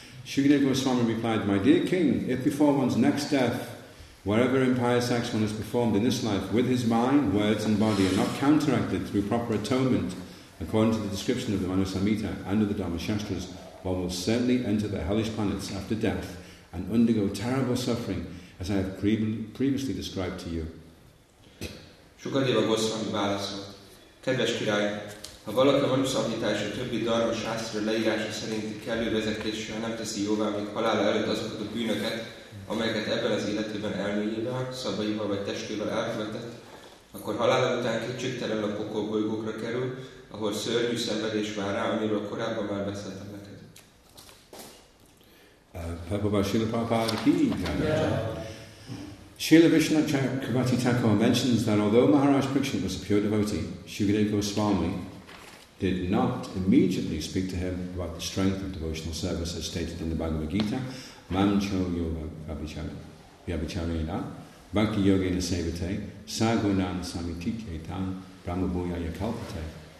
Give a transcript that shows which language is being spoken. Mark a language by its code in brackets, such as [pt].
[en] Shukadeva Goswami replied, my dear king, if before one's next death, wherever impious acts one has performed in this life, with his mind, words, and body are not counteracted through proper atonement, according to the description of the Manusamhita and of the Dharma Shastras, one will certainly enter the hellish planets after death and undergo terrible suffering, as I have previously described to you. [hu] Shukadeva Goswami válaszolt, kedves király, ha valaki a Manusamhita és a többi Dharma Shastra leírása szerinti kellő vezetéssel nem teszi jóvá még halála előtt azokat a bűnöket, amelyeket ebben az életében elméjével, szabaival vagy testével elkövetett, akkor halála után kétségtelenül a pokol bolygókra kerül, ahol szörnyű szenvedés vár rá, amiről korábban már beszéltem neked. Prabhupada Srila Prabhupada ki? [en] Srila Vishnu Chakravarti Thakur mentions that although Maharaj Pariksit was a pure devotee, Shukadeva Goswami did not immediately speak to him about the strength of devotional service as stated in the Bhagavad Gita, [sa] Mamcho Yoga Vyabhicharena, Bhakti Yogena Sevate, Sagunan Samitikyetan, Brahmabhuyaya Kalpate.